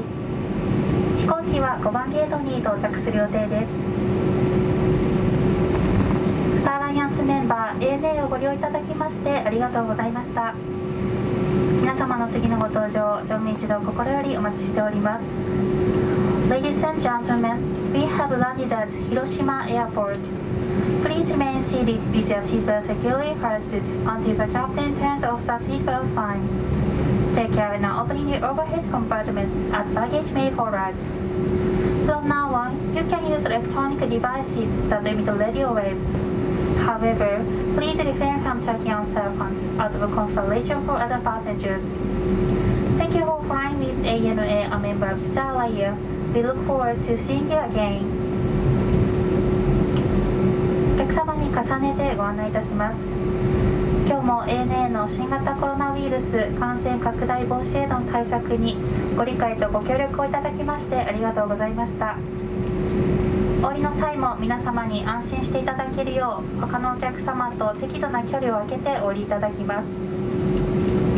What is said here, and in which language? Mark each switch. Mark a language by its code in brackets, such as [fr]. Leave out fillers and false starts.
[ja] 飛行機は5番ゲートに到着する予定です。メンバー ANA をご利用いただきましてありがとうございました。皆様の次のご搭乗乗務一同心よりお待ちしております。 [en] Ladies and gentlemen, we have landed at Hiroshima Airport. Please remain seated with your seatbelt securely fastened until the captain turns off the seatbelt sign. Take care when opening the overhead compartment as baggage may fall out. From now on, you can use electronic devices that emit radio waves. However, please refrain from checking on cell phones out of consideration for other passengers. Thank you for flying with ANA, a member of Starlayer. We look forward to seeing you again. [ja] お客様に重ねてご案内いたします。今日も ANA の新型コロナウイルス感染拡大防止への対策にご理解とご協力をいただきましてありがとうございました。降りの際も皆様に安心していただけるよう他のお客様と適度な距離を空けてお降りいただきます。